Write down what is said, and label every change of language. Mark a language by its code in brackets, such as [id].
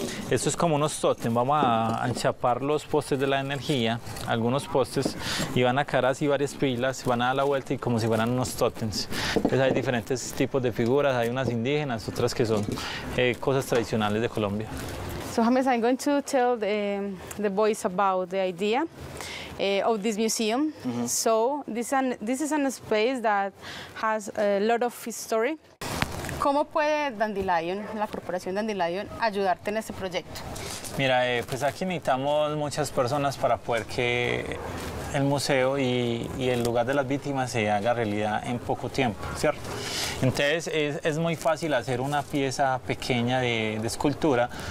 [es] Esto es como unos tótem, vamos a enchapar los postes de la energía, algunos postes, y van a caer así varias pilas, van a dar la vuelta y como si fueran unos tótems. Entonces hay diferentes tipos de figuras, hay unas indígenas, otras que son cosas tradicionales de Colombia. [en] So James, I'm going to tell the boys about the idea of this museum. So this is a space that has a lot of history. [es] ¿Cómo puede Dandelion, la corporación Dandelion, ayudarte en este proyecto? Mira, pues aquí necesitamos muchas personas para poder que el museo y el lugar de las víctimas se haga realidad en poco tiempo, ¿cierto? Entonces es muy fácil hacer una pieza pequeña de escultura.